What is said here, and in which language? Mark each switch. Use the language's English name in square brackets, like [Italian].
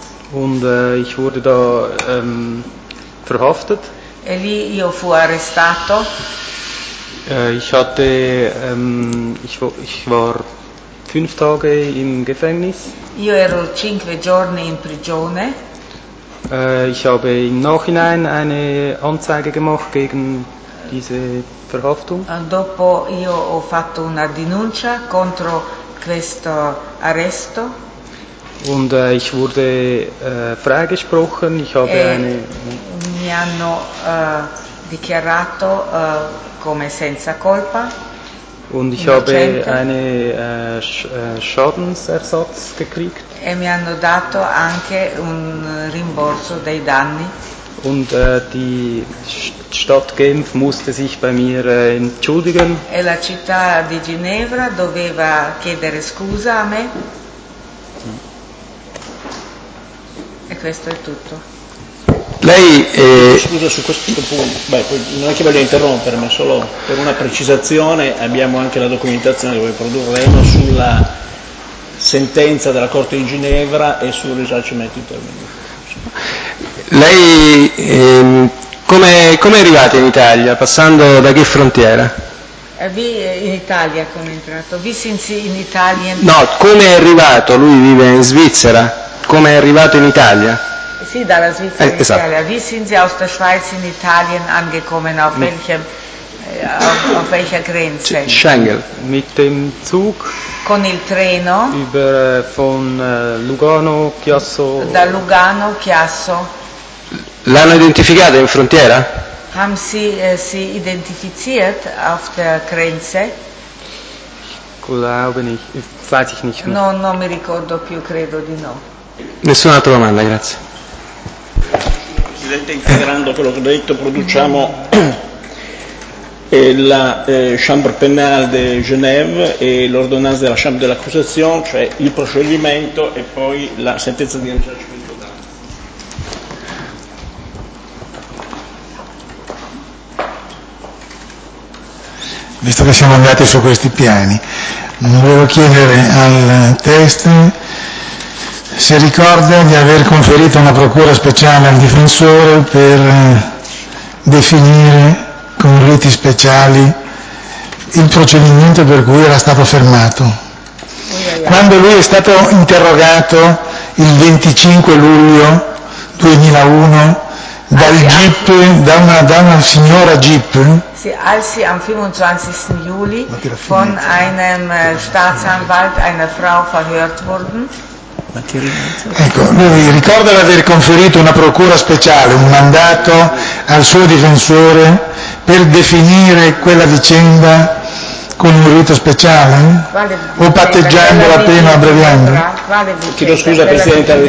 [German] Und ich wurde da verhaftet. [Italian] E lì io fu arrestato. [German] Ich war 5 Tage im Gefängnis. [Italian] Io ero 5 giorni in prigione. [German] Ich habe im Nachhinein eine Anzeige gemacht gegen diese Verhaftung. [Italian] Dopo io ho fatto una denuncia contro questo arresto. [German] Und ich wurde freigesprochen. Ich habe [Italian] mi hanno dichiarato come senza colpa. [German] Und ich habe eine Schadensersatz gekriegt. [Italian] E mi hanno dato anche un rimborso dei danni. [German] Und die Stadt Genf musste sich bei mir entschuldigen. [Italian] E la città di Ginevra doveva chiedere scusa a me. E questo è tutto. Lei scusa, su questo punto, non è che voglio interrompere, ma solo per una precisazione, abbiamo anche la documentazione che vuoi produrre sulla sentenza della Corte di Ginevra e sul risarcimento intervenuto. Lei come è arrivato in Italia? Passando da che frontiera? In Italia come è entrato? In Italia? No, come è arrivato? Lui vive in Svizzera. Come è arrivato in Italia? Sì, dalla Svizzera in Italia. [German] Wie sind Sie aus der Schweiz in Italien angekommen? Auf welcher Grenze? Schengen. Mit dem Zug. [Italian] Con il treno. [German] Über von Lugano, Chiasso. [Italian] Da Lugano, Chiasso. L'hanno identificato in frontiera? [German] Haben Sie sie identifiziert auf der Grenze? Glaube nicht. Weiß ich nicht. [Italian] No, non mi ricordo più, credo di no. Nessuna altra domanda, grazie. Presidente, integrando quello che ho detto, produciamo la Chambre pénale de Genève e [French] l'ordonnance de la Chambre de l'accusation, [Italian] cioè il proscioglimento e poi la sentenza di risarcimento. Visto che siamo andati su questi piani, volevo chiedere al test se ricorda di aver conferito una procura speciale al difensore per definire con riti speciali il procedimento per cui era stato fermato. Quando lui è stato interrogato il 25 luglio 2001 dal GIP, da una signora GIP, [German] als sie am 25. Juli von einem Staatsanwalt, einer Frau, verhört wurden. [Italian] Ecco, lui ricorda di aver conferito una procura speciale, un mandato al suo difensore per definire quella vicenda con un rito speciale? O patteggiando la pena abbreviando? Chiedo scusa, Presidente,